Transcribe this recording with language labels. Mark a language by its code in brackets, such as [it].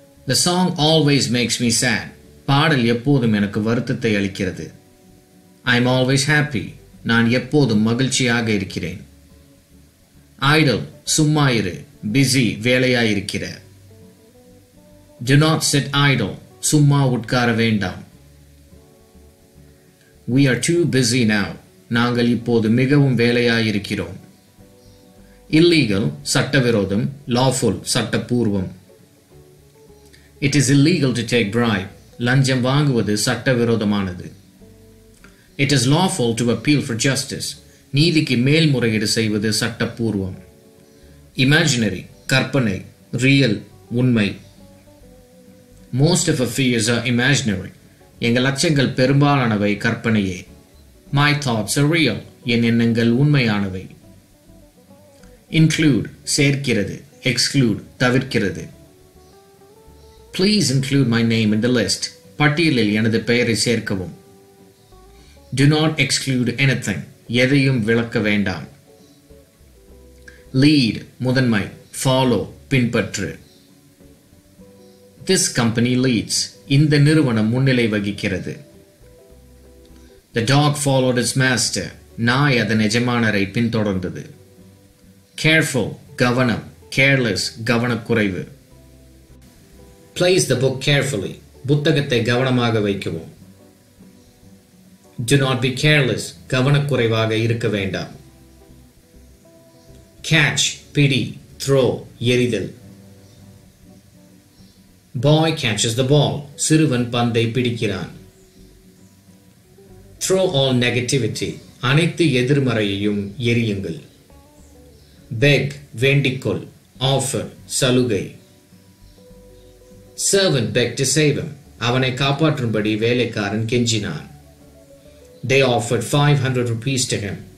[en] The song always makes me sad. [ta] பாடல் எப்போதும் எனக்கு வருத்தத்தை அளிக்கிறது. [en] I'm always happy. [ta] நான் எப்போதும் மகிழ்ச்சியாக இருக்கிறேன். Idle சும்மாயிரு, busy வேலையாயிருக்கிற. [en] Do not sit idle, [ta] சும்மா உட்கார வேண்டாம். [en] We are too busy now. [ta] நாங்கள் இப்போது மிகவும் வேலையாயிருக்கிறோம். Illegal சட்டவிரோதம், lawful சட்டபூர்வம். [en] It is illegal to take bribe. [ta] லஞ்சம் வாங்குவது சட்டவிரோதமானது. [en] It is lawful to appeal for justice. [ta] நீதிக்கு மேல்முறையீடு செய்வது சட்டபூர்வம். Imaginary கற்பனை, real உண்மை. [en] Most of our fears are imaginary. [ta] எங்கள் அச்சங்கள் பெரும்பாலானவை கற்பனையே. [en] My thoughts are real. [ta] என் எண்ணங்கள் உண்மையானவை. Include சேர்க்கிறது, exclude தவிர்க்கிறது. [en] Please include my name in the list. [ta] பட்டியலில் எனது பெயரை சேர்க்கவும். [en] Do not exclude anything. [ta] எதையும் விளக்க வேண்டாம். Lead முதன்மை, follow பின்பற்று. [en] This company leads. [ta] இந்த நிறுவனம் முன்னிலை வகிக்கிறது. [en] The dog followed its master. [ta] நாய் அதன் எஜமானரை பின்தொடர்ந்தது. Careful கவனம், careless கவனக்குறைவு. [en] Place the book carefully. [ta] புத்தகத்தை கவனமாக வைக்கவும். [en] Do not be careless. [ta] கவனக்குறைவாக இருக்க வேண்டாம். Catch பிடி, throw எறிதல். [en] Boy catches the ball. [ta] சிறுவன் பந்தை பிடிக்கிறான். [en] Throw all negativity. [ta] அனைத்து எதிர்மறையையும் எரியுங்கள். Beg வேண்டிக்கொள், offer சலுகை. [en] Servant begged to save him. [ta] அவனை காப்பாற்றும்படி வேலைக்காரன் கெஞ்சினான். [en] They offered 500 rupees to him.